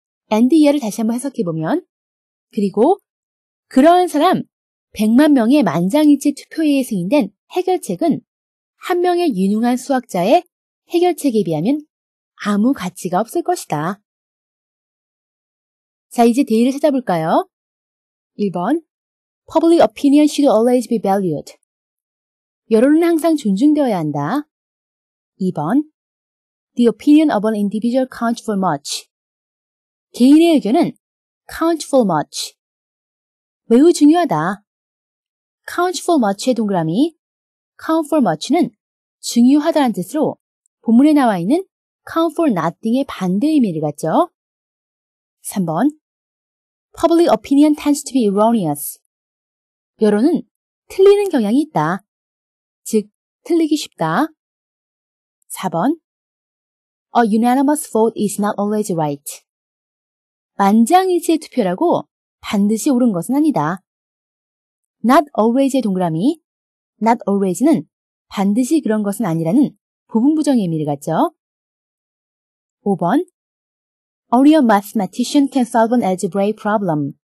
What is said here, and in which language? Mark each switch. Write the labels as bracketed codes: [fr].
[ko] and 예를 다시 한번 해석해보면 그리고 그러한 사람 100만 명의 만장일치 투표에 승인된 해결책은 한 명의 유능한 수학자의 해결책에 비하면 아무 가치가 없을 것이다. 자, 이제 대의를 찾아볼까요? [en] 1번 Public opinion should always be valued. [ko] 여론은 항상 존중되어야 한다. [en] 2번 The opinion of an individual counts for much. [ko] 개인의 의견은 [en] count for much. [ko] 매우 중요하다. count for much의 동그라미 count for much는 중요하다는 뜻으로 본문에 나와 있는 [en] count for nothing [ko] 의 반대 의미를 갖죠. [en] 3번 Public opinion tends to be erroneous. [ko] 여론은 틀리는 경향이 있다. 즉, 틀리기 쉽다. [en] 4번 A unanimous vote is not always right. [ko] 만장일치의 투표라고 반드시 옳은 것은 아니다. Not always의 동그라미 Not always는 반드시 그런 것은 아니라는 부분 부정의 의미를 갖죠. [en] 5번 Only a mathematician can solve an algebraic problem.